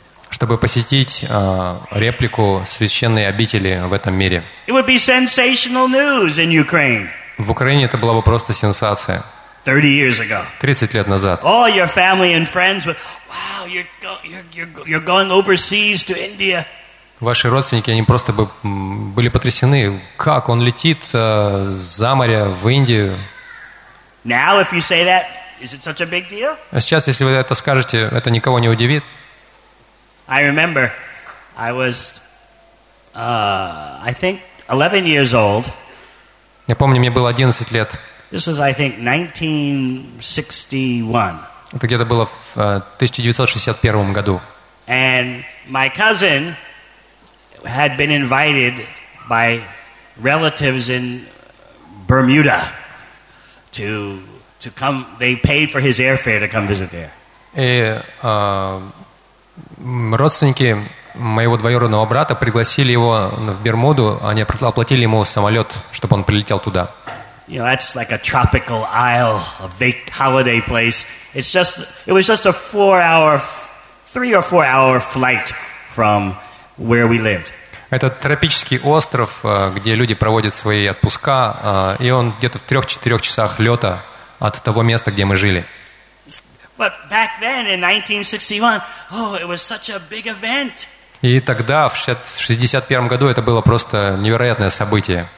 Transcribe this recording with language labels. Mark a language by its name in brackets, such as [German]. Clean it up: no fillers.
[Russian] Чтобы посетить реплику священной обители в этом мире. [English] It would be sensational news in Ukraine. [Russian] В Украине это была бы просто сенсация. [English] 30 years ago. [Russian] 30 лет назад. [English] All your family and friends would, wow, you're going overseas to India. [Russian] Ваши родственники, они просто бы были потрясены, как он летит за море в Индию. [English] Now, if you say that, is it such a big deal? [Russian] А сейчас, если вы это скажете, это никого не удивит. [English] I remember, I was, I think, 11 years old. [Russian] Я помню, мне было 11 лет. [English] This was, I think, 1961. [Russian] Это где-то было в 1961 году. [English] And my cousin had been invited by relatives in Bermuda to come. They paid for his airfare to come visit there. [Russian] И родственники моего двоюродного брата пригласили его в Бермуду. Они оплатили ему самолет, чтобы он прилетел туда. [English] You know, that's like a tropical isle, a big holiday place. It was just a 4-hour, 3 or 4 hour flight from where we lived. [Russian] Это тропический остров, где люди проводят свои отпуска, и он где-то в 3-4 часах лета от того места, где мы жили. [English] But back then, in 1961, oh, it was such a big event. [Russian] И тогда, в 61 году, это было просто невероятное событие.